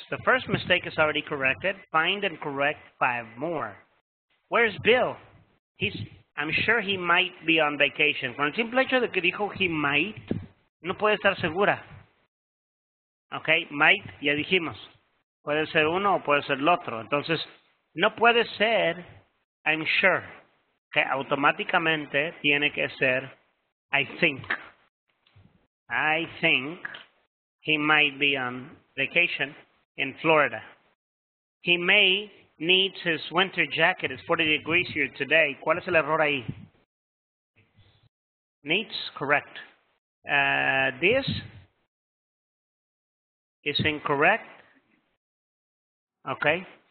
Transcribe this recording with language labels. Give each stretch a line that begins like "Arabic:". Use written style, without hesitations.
English: The first mistake is already corrected. Find and correct 5 more. Where's Bill? I'm sure he might be on vacation.
Spanish: Con el simple hecho de que dijo he might, no puede estar segura. Okay, might, ya dijimos. Puede ser uno o puede ser el otro. Entonces, no puede ser
English: I'm sure,
Spanish: que automáticamente tiene que ser
English: I think. I think he might be on vacation in Florida. He may need his winter jacket. It's 40 degrees here today.
Spanish: ¿Cuál es el error ahí?
English: Needs, correct. This is incorrect. Okay.